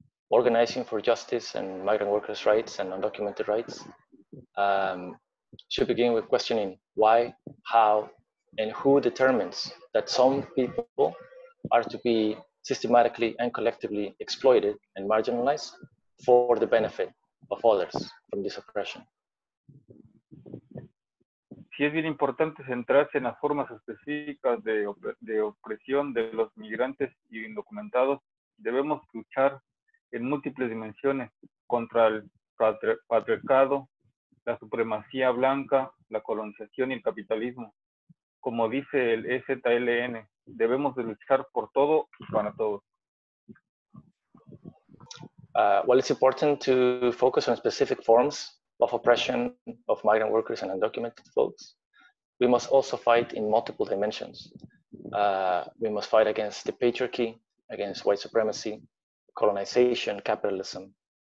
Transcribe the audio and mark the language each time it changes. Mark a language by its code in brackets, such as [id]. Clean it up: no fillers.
[en] Organizing for justice and migrant workers' rights and undocumented rights should begin with questioning why, how, and who determines that some people are to be systematically and collectively exploited and marginalized for the benefit of others from this oppression. [es] Sí, es bien importante centrarse en las formas específicas de opresión de los migrantes y indocumentados. Debemos luchar en múltiples dimensiones contra el patriarcado, la supremacía blanca, la colonización y el capitalismo. Como dice el EZLN, debemos de luchar por todo y para todos. [en] Well, it's important to focus on specific forms of oppression of migrant workers and undocumented folks. We must also fight in multiple dimensions. We must fight against the patriarchy, against white supremacy, colonization, capitalism.